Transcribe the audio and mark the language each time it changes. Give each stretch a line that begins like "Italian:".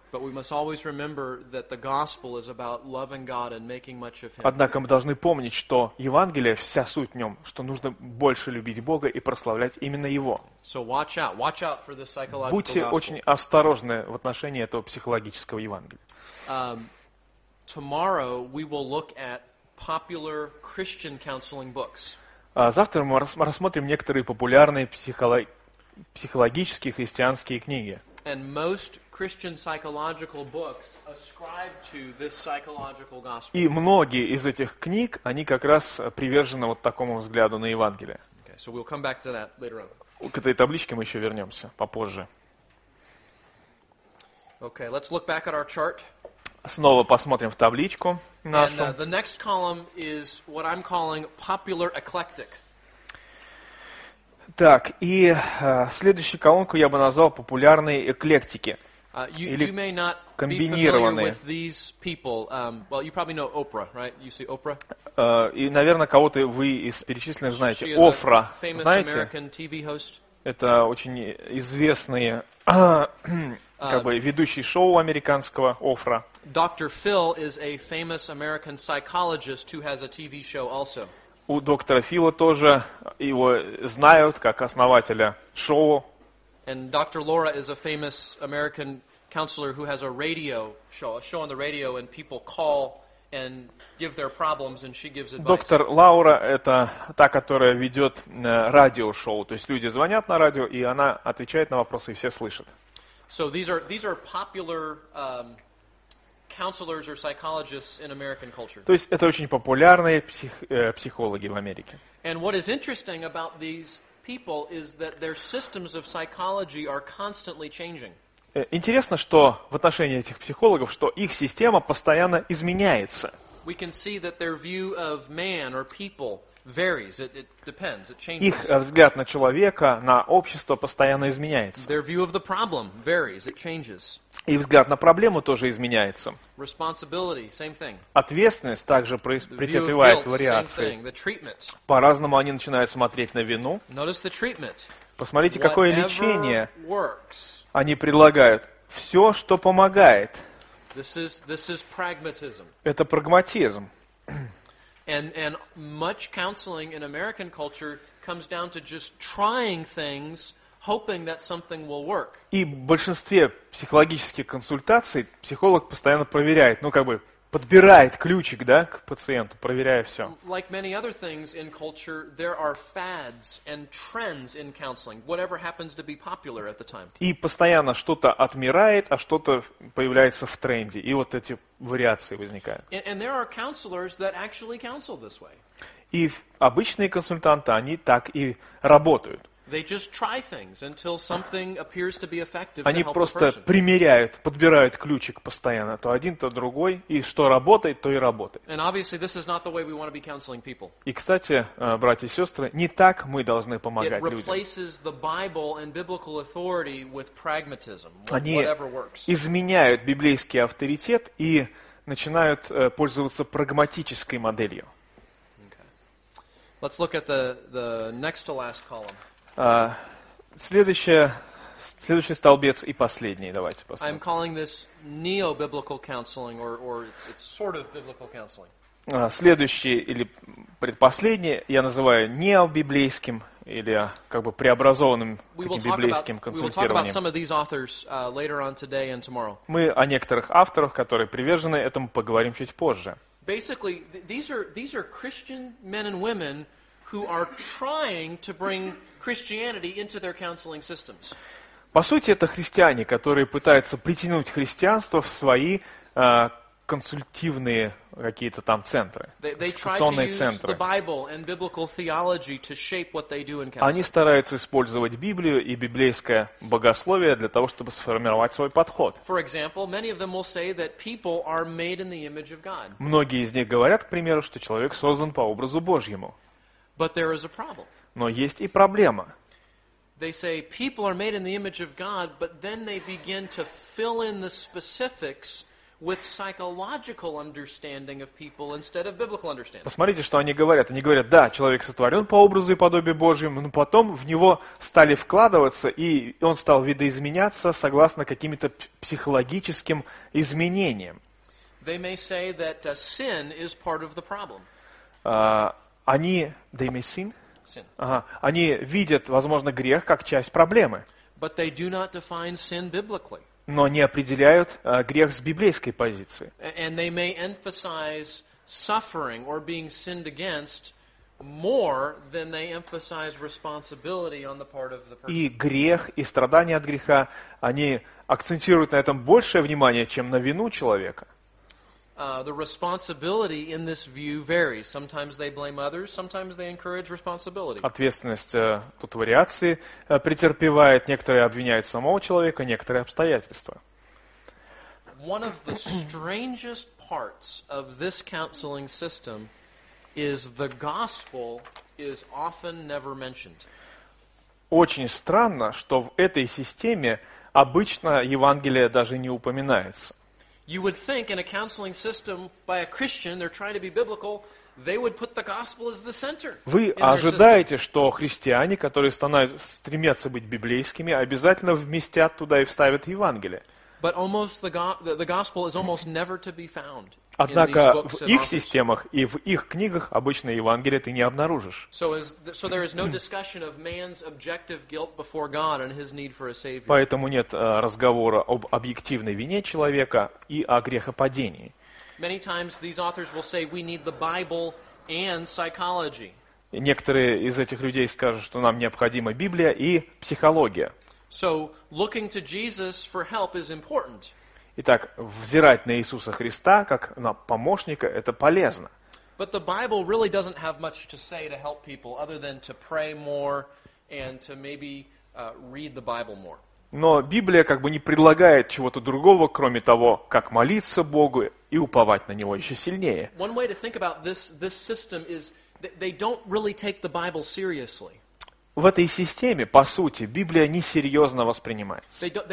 Russian: Однако мы должны помнить, что Евангелие, вся суть в нем, что нужно больше любить Бога и прославлять именно Его. Будьте очень осторожны в отношении этого психологического Евангелия.
English: Tomorrow we will look at popular Christian counseling books.
Russian: Завтра мы рассмотрим некоторые популярные психологические христианские книги.
English: And most Christian psychological books ascribe to this psychological gospel.
Russian: И многие из этих книг, они как раз привержены вот такому взгляду на Евангелие.
English: Okay, so we'll come back to that later on.
Russian: К этой табличке мы еще вернемся попозже.
English: Okay, let's look back at our chart.
Russian: Снова посмотрим в табличку нашу.
English: And, the next column is what I'm calling popular eclectic.
Russian: Так, и следующую колонку я бы назвал популярные эклектики. или комбинированные. И, наверное, кого-то вы из перечисленных знаете. Офра, знаете? Это очень известный как бы ведущий шоу американского Офра.
English: Доктор Фил is a famous American psychologist who has a TV show also.
Russian: У доктора Фила тоже его знают как основателя шоу.
English: And Dr. Laura is a famous American counselor who has a radio show, a show on the radio, and people call and give their problems, and she gives advice.
Russian: Доктор Лаура – это та, которая ведет радио-шоу. То есть люди звонят на радио, и она отвечает на вопросы, и все слышат.
English: So these are popular counselors or psychologists in American culture.
Russian: То есть это очень популярные психологи в Америке.
English: And what is interesting about these people is that their systems of psychology are constantly changing.
Russian: Интересно, что в отношении этих психологов, что их система постоянно изменяется.
English: We can see that their view of man or people varies. It depends. It changes.
Russian: Их взгляд на человека, на общество постоянно изменяется.
English: Their view of the problem varies. It changes.
Russian: Их взгляд на проблему тоже изменяется.
English: Responsibility, same thing.
Russian: Ответственность также претерпевает вариации.
English: The treatment.
Russian: По-разному они начинают смотреть на вину.
English: Notice the treatment.
Russian: Посмотрите, какое лечение
English: works.
Russian: Они предлагают. Все, что помогает.
English: This is pragmatism.
Russian: Это прагматизм.
English: And much counseling in American culture comes down to just trying things, hoping that something will work.
Russian: И в большинстве психологических консультаций психолог постоянно проверяет, ну как бы подбирает ключик, да, к пациенту, проверяя все.
English: Like many other things in culture, there are fads and trends in counseling, whatever happens to be popular at the time.
Russian: И постоянно что-то отмирает, а что-то появляется в тренде, и вот эти вариации возникают.
English: And there are counselors that actually counsel this way.
Russian: И обычные консультанты, они так и работают.
English: They just try things until something appears to be effective.
Russian: Они просто примеряют, подбирают ключик постоянно, то один, то другой, и что работает, то и работает.
English: And obviously this is not the way we want to be counseling people.
Russian: И, кстати, братья и сестры, не так мы должны помогать людям.
English: It replaces the Bible and biblical authority with pragmatism, whatever works.
Russian: Они изменяют библейский авторитет и начинают пользоваться прагматической моделью.
English: Okay. Let's look at the next to last column.
Russian: Следующий столбец и последний, давайте посмотрим.
English: I'm calling this neo-biblical counseling, or it's sort of biblical counseling.
Russian: Следующий или предпоследний я называю необиблейским или как бы преобразованным таким библейским консультированием. Мы о некоторых авторах, которые привержены этому, поговорим чуть позже.
English: Basically, these are Christian men and women who are trying to bring Christianity into their counseling systems.
Russian: По сути, это христиане, которые пытаются притянуть христианство в свои консультивные какие-то там центры, консультационные центры.
English: They try to use the Bible and biblical theology to shape what they do in counseling.
Russian: Они стараются использовать Библию и библейское богословие для того, чтобы сформировать свой подход.
English: For example, many of them will say that people are made in the image of God.
Russian: Многие из них говорят, к примеру, что человек создан по образу Божьему.
English: But there is a problem.
Russian: Но есть и проблема.
English: They say people are made in the image of God, but then they begin to fill in the specifics with psychological understanding of people instead of biblical understanding.
Russian: Посмотрите, что они говорят. Они говорят: да, человек сотворен по образу и подобию Божьему, но потом в него стали вкладываться, и он стал видоизменяться согласно каким-то психологическим изменениям.
English: They may say that sin is part of the problem.
Russian: Они видят, возможно, грех как часть проблемы.
English: But they do not define sin biblically.
Russian: Но не определяют грех с библейской позиции.
English: And they may emphasize suffering or being sinned against more than they emphasize responsibility on the part of the person.
Russian: И грех, и страдания от греха, они акцентируют на этом большее внимание, чем на вину человека.
English: The responsibility in this view varies. Sometimes they blame others, sometimes they encourage responsibility.
Russian: Ответственность тут вариации претерпевает. Некоторые обвиняют самого человека, некоторые обстоятельства.
English: One of the strangest parts of this counseling system is the gospel is often never mentioned.
Russian: Очень странно, что в этой системе обычно Евангелие даже не упоминается.
English: You would think in a counseling system by a Christian, they're trying to be biblical, they would put the gospel as the center.
Russian: Вы ожидаете, что христиане, которые стремятся быть библейскими, обязательно вместят туда и вставят Евангелие?
English: But almost the gospel is almost never to be found.
Russian: Однако в их системах и в их книгах обычно Евангелие ты не обнаружишь.
English: So there is no discussion of man's objective guilt before God and his need for a savior.
Russian: Поэтому нет разговора об объективной вине человека и о грехопадении.
English: Many times these authors will say we need the Bible and psychology.
Russian: Некоторые из этих людей скажут, что нам необходима Библия и психология.
English: So looking to Jesus for help is important.
Russian: Итак, взирать на Иисуса Христа как на помощника – это полезно.
English: But the Bible really doesn't have much to say to help people other than to pray more and to maybe read the Bible more.
Russian: Но Библия как бы не предлагает чего-то другого, кроме того, как молиться Богу и уповать на Него еще сильнее.
English: One way to think about this system is they don't really take the Bible seriously.
Russian: В этой системе, по сути, Библия несерьезно воспринимается.